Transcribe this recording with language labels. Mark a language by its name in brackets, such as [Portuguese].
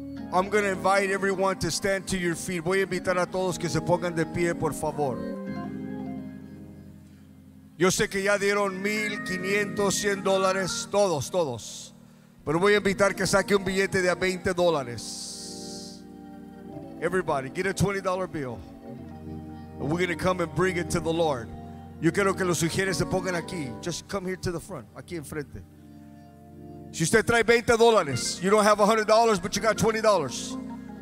[English] I'm going to invite everyone to stand to your feet. [Spanish] Voy a invitar a todos que se pongan de pie, por favor. Yo sé que ya dieron $1,500, $100, todos. Pero voy a invitar que saque un billete de $20. [English] Everybody, get a $20 bill. And we're going to come and bring it to the Lord. [Spanish] Yo quiero que los sugieres se pongan aquí. [English] Just come here to the front, [Spanish] aquí enfrente. Si usted trae $20, [English] you don't have $100, but you got $20.